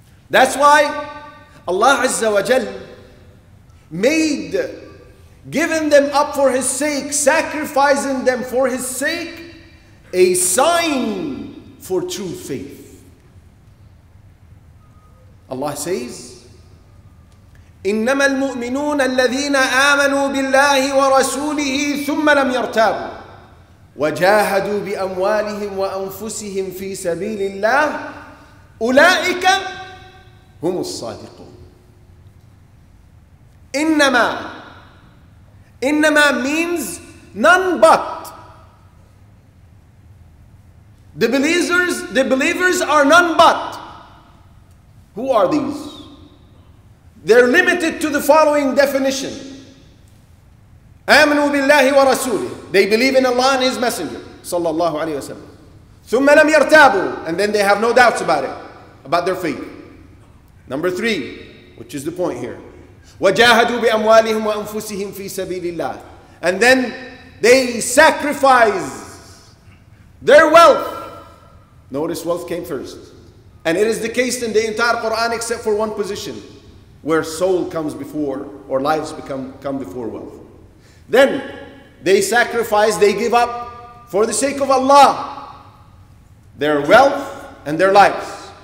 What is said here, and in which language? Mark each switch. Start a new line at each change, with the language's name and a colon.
English: That's why Allah Azza wa Jal made giving them up for His sake, sacrificing them for His sake, a sign for true faith. Allah says,
Arabic: إنما المؤمنون الذين آمنوا بالله ورسوله ثم لم يرتابوا وجاهدوا بأموالهم وأنفسهم في سبيل الله أولئك هم الصادقون.
English: إنما means none but. The believers are none but. Who are these? They're limited to the following definition.
Arabic: آمنوا بالله ورسوله.
English: They believe in Allah and His Messenger,
Arabic: صلى الله عليه وسلم. ثم لم يرتابوا.
English: And then they have no doubts about it, about their faith. Number three, which is the point here.
Arabic: وجاهدوا بأموالهم وأنفسهم في سبيل الله.
English: And then they sacrifice their wealth. Notice wealth came first. And it is the case in the entire Quran except for one position, where soul comes before, or lives come before wealth. Then they sacrifice, they give up for the sake of Allah their wealth and their lives.